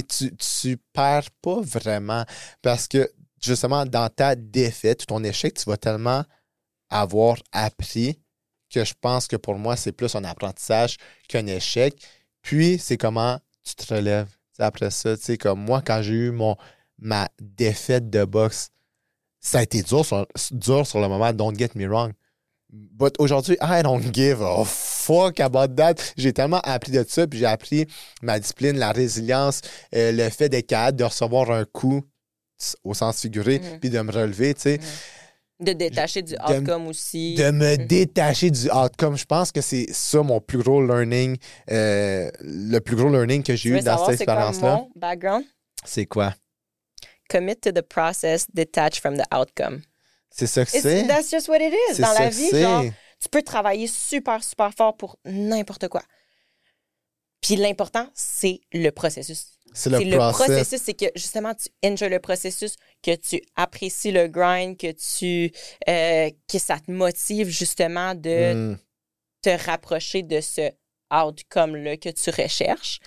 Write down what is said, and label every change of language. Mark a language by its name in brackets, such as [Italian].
[French] Tu perds pas vraiment parce que, justement, dans ta défaite, ton échec, tu vas tellement avoir appris que je pense que pour moi, c'est plus un apprentissage qu'un échec. Puis, c'est comment tu te relèves. Après ça, tu sais, comme moi, quand j'ai eu ma défaite de boxe, ça a été dur sur le moment, [English] don't get me wrong. But aujourd'hui, I don't give a fuck about that. [French] J'ai tellement appris de ça, puis j'ai appris ma discipline, la résilience, le fait d'être capable de recevoir un coup au sens figuré, puis de me relever, tu sais. De détacher du outcome aussi. De me détacher du outcome. Je pense que c'est ça mon plus gros learning, le plus gros learning que j'ai tu eu dans cette expérience-là. C'est quoi mon background? C'est quoi? [English] Commit to the process, detach from the outcome. [French] C'est ça que c'est. [English] That's just what it is. [French] C'est dans la vie, genre, tu peux travailler super, super fort pour n'importe quoi. Puis l'important, c'est le processus. C'est le processus. C'est que, justement, tu enjoy le processus, que tu apprécies le grind, que tu que ça te motive, justement, de te rapprocher de ce outcome-là que tu recherches.